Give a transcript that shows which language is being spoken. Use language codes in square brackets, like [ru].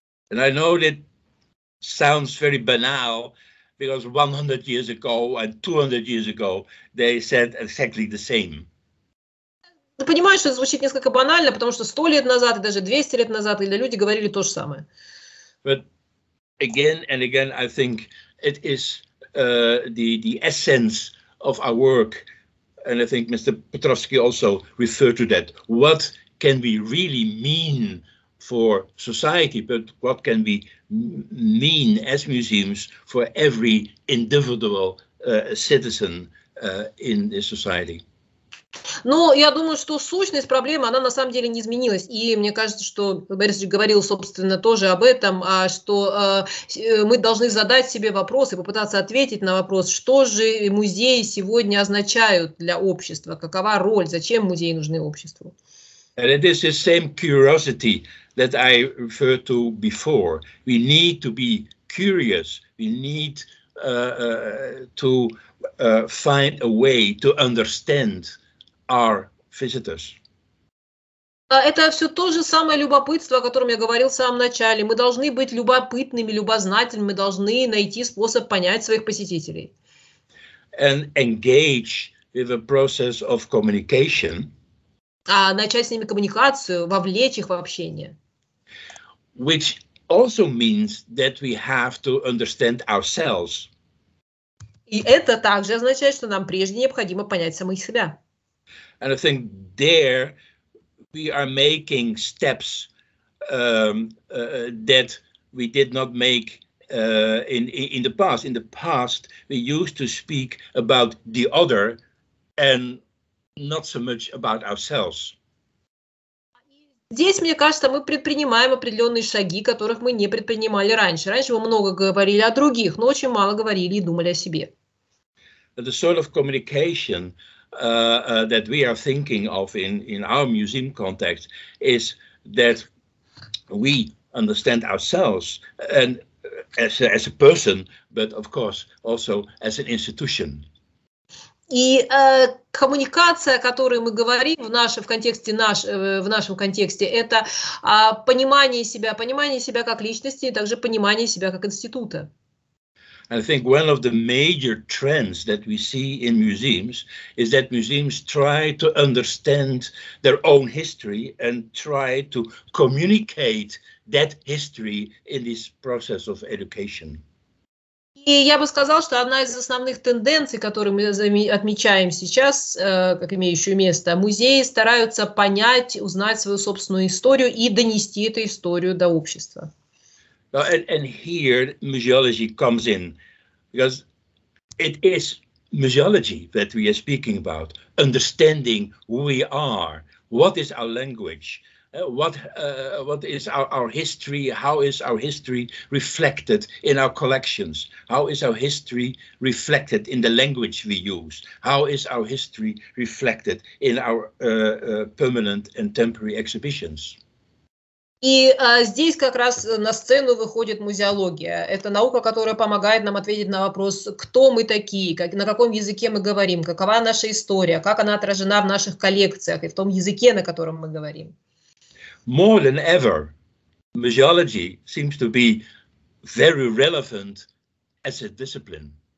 [en] And I know that sounds very banal, because 100 years ago and 200 years ago they said exactly the same. [ru] Понимаю, что это звучит несколько банально, потому что 100 лет назад и даже 200 лет назад люди говорили то же самое. [en] But again and again, I think it is the essence of our work, and I think Mr. Petrovsky also referred to that. What can we really mean for society, but what can we mean as museums for every individual citizen in this society? [ru] Но я думаю, что сущность проблемы, она на самом деле не изменилась. И мне кажется, что Борис говорил, собственно, тоже об этом, что мы должны задать себе вопрос и попытаться ответить на вопрос, что же музеи сегодня означают для общества, какова роль, зачем музеи нужны обществу. [en] And it is the same curiosity that I referred to before. We need to be curious. We need to find a way to understand our visitors. [ru] Это все то же самое любопытство, о котором я говорил в самом начале. Мы должны быть любопытными, любознательными, мы должны найти способ понять своих посетителей. [en] And engage with a process of communication. [ru] А начать с ними коммуникацию, вовлечь их в общение. [en] Which also means that we have to understand ourselves. [ru] И это также означает, что нам прежде необходимо понять самих себя. [en] And I think there we are making steps that we did not make in the past. In the past, we used to speak about the other and not so much about ourselves. [ru] Здесь, мне кажется, мы предпринимаем определенные шаги, которых мы не предпринимали раньше. Раньше мы много говорили о других, но очень мало говорили и думали о себе. [en] The sort of communication that we are thinking of in our museum context is that we understand ourselves and as a person, but of course also as an institution. [ru] И коммуникация, о которой мы говорим в нашем контексте, это понимание себя как личности, и также понимание себя как института. [en] I think one of the major trends that we see in museums is that museums try to understand their own history and try to communicate that history in this process of education. [ru] И я бы сказал, что одна из основных тенденций, которые мы отмечаем сейчас, как имеющую место, музеи стараются понять, узнать свою собственную историю и донести эту историю до общества. [en] And here museology comes in, because it is museology that we are speaking about, understanding who we are, what is our language, what is our history, how is our history reflected in our collections, how is our history reflected in the language we use, how is our history reflected in our permanent and temporary exhibitions. [ru] И здесь как раз на сцену выходит музеология. Это наука, которая помогает нам ответить на вопрос, кто мы такие, как, на каком языке мы говорим, какова наша история, как она отражена в наших коллекциях и в том языке, на котором мы говорим. [en] More than ever, museology seems to be very relevant as a discipline.